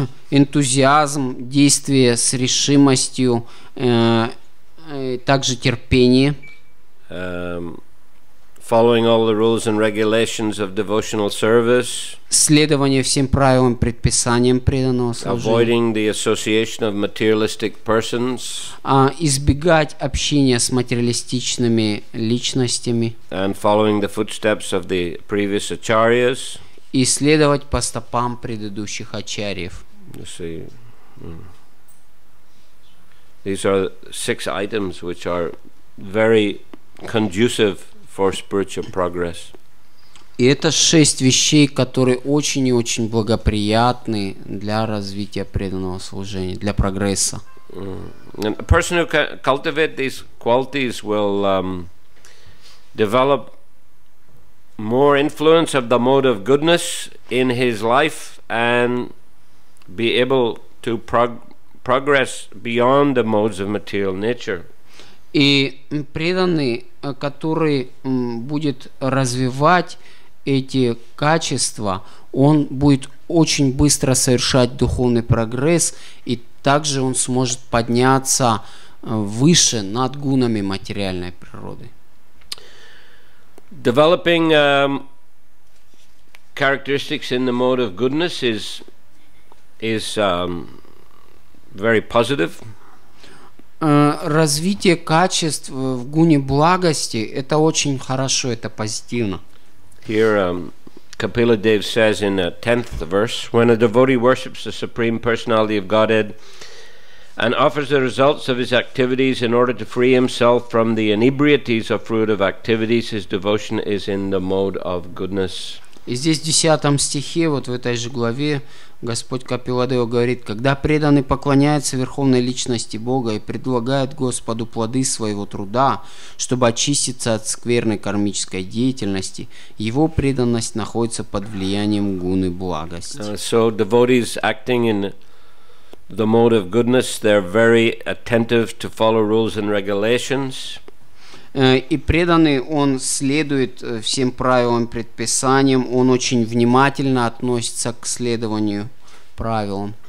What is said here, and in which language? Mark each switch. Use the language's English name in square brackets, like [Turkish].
[Russian] Энтузиазм, действие с решимостью, также терпение. [English] Following all the rules and regulations of devotional service. [Russian] Следование всем правилам и предписаниям преданного служения. [English] Avoiding the association of materialistic persons. [Russian] Избегать общения с материалистичными личностями. [English] And following the footsteps of the previous acharyas. [Russian] И следовать по стопам предыдущих ачарьев. [English] You see. These are six items which are very conducive for spiritual progress. [Russian] И это шесть вещей, которые очень и очень благоприятны для развития преданного служения, для прогресса. [English] And a person who can cultivate these qualities will develop more influence of the mode of goodness in his life and be able to progress beyond the modes of material nature. [Russian] И преданный, который будет развивать эти качества, он будет очень быстро совершать духовный прогресс, и также он сможет подняться выше над гунами материальной природы. [English] Developing characteristics in the mode of goodness is very positive. [Russian] Развитие качеств в гуне благости – это очень хорошо, это позитивно. [English] Here Kapila Dev says in the 10th verse, when a devotee worships the Supreme Personality of Godhead and offers the results of his activities in order to free himself from the inebrieties of fruitive activities, his devotion is in the mode of goodness. [Russian] И здесь в 10 стихе, вот в этой же главе, Господь Капиладева говорит, когда преданный поклоняется Верховной Личности Бога и предлагает Господу плоды своего труда, чтобы очиститься от скверной кармической деятельности, его преданность находится под влиянием гуны благости. [English] So devotees acting in the mode of goodness, they're very attentive to follow rules and regulations. [Russian] И преданный, он следует всем правилам и предписаниям, он очень внимательно относится к следованию правилам.